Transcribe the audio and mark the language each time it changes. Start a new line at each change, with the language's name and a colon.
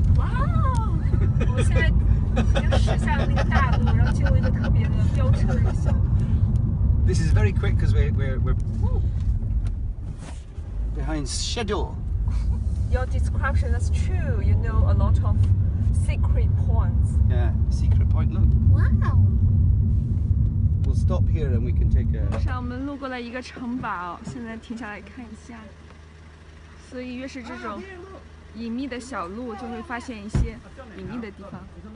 Chinese: Wow! 我现在就是像领大路，然后进入一个特别的飙车的一个。
English: This is very quick because we're behind schedule. Your description is true. You know a lot of secret points. Yeah, secret point. Look. Wow. We'll stop here and we can take a.
Chinese: 是啊，我们路过了一个城堡，现在停下来看一下。所以越是这种隐秘的小路，就会发现一些隐秘的地方。